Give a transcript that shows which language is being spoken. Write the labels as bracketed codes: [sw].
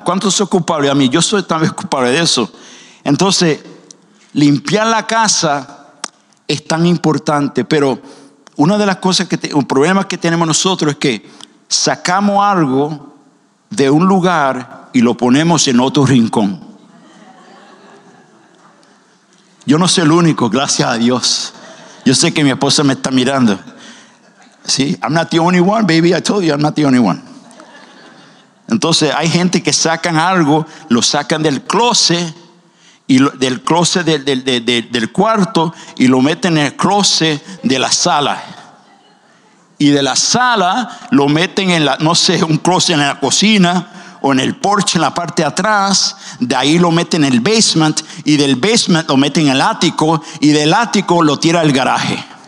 [es] ¿Cuántos son culpables? A mí, yo soy también culpable de eso. Entonces, limpiar la casa es tan importante, pero una de las cosas un problema que tenemos nosotros es que sacamos algo de un lugar y lo ponemos en otro rincón. Yo no soy el único, gracias a Dios. Yo sé que mi esposa me está mirando. ¿Sí? [en] I'm not the only one, baby, I told you, I'm not the only one. [es] Entonces hay gente que sacan algo, lo sacan del closet, y del closet del cuarto, y lo meten en el closet de la sala, y de la sala lo meten en la, no sé, un closet en la cocina o en el porche en la parte de atrás, de ahí lo meten en el basement, y del basement lo meten en el ático, y del ático lo tira al garaje.